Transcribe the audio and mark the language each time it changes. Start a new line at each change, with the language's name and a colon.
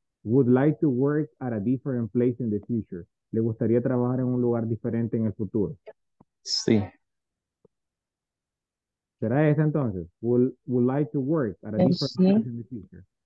English: Would like to work at a different place in the future.
Spanish: Le gustaría trabajar en un lugar diferente en el futuro. Sí. ¿Será esa entonces?
English: Would like to work at a different place in the future.